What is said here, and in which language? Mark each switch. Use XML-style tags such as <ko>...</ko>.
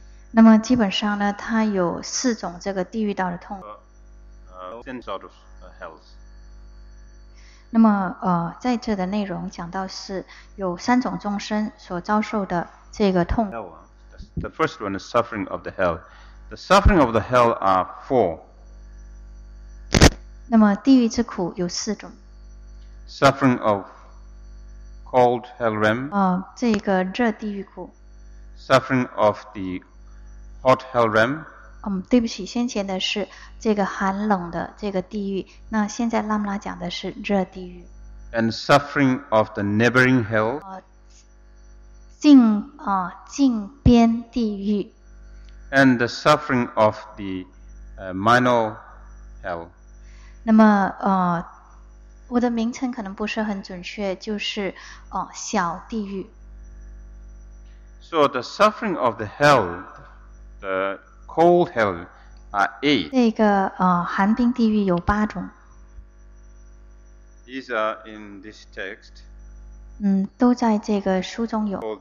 <zh>那么基本上呢它有四种这个地狱道的痛苦。</zh> <en>Ten sort of hells.</en> <zh>那么在这的内容讲到是有三种众生所遭受的这个痛苦。</zh> <en>The first one is suffering of the hell. The suffering of the hell are four.</en> <zh>那么地狱之苦有四种。</zh> <en>Suffering of cold hell realm.</en> <zh>这个热地狱苦。</zh> <en>Suffering of the hot hell realm.</en> <zh>对不起，先前的是这个寒冷的这个地狱，那现在拉姆拉讲的是热地狱。</zh> <en>And suffering of the neighboring hell.</en> <zh>近边地狱。</zh> <en>And the suffering of the minor hell.</en> <zh>那么我的名称可能不是很准确，就是小地狱。</zh> <en>So the suffering of the hell, the cold hell, are eight.</en> <zh>那个寒冰地狱有八种。</zh> <en>These are in this text.</en> <zh>都在这个书中有。</zh>